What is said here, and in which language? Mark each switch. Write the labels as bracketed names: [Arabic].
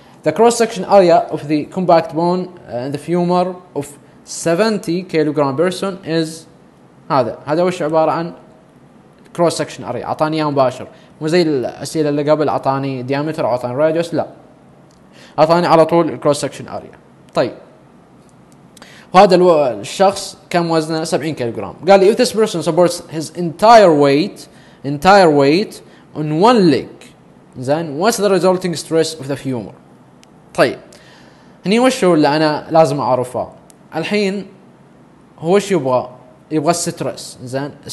[English] The cross-section area of the compact bone in the femur of 70 kilogram person is [Arabic] هذا. هذا وش عبارة عن cross-section area؟ أعطاني إياه مباشر، مو زي الأسئلة اللي قبل أعطاني diameter أو أعطاني radius، لا أعطاني على طول cross-section area. طيب وهذا الشخص كم وزنه؟ 70 كيلوغرام. قال لي [English] if this person supports his entire weight on one leg then what's the resulting stress of the femur. [Arabic] طيب هني وش هو اللي انا لازم اعرفه الحين؟ هو وش يبغى؟ يبغى السترس زين.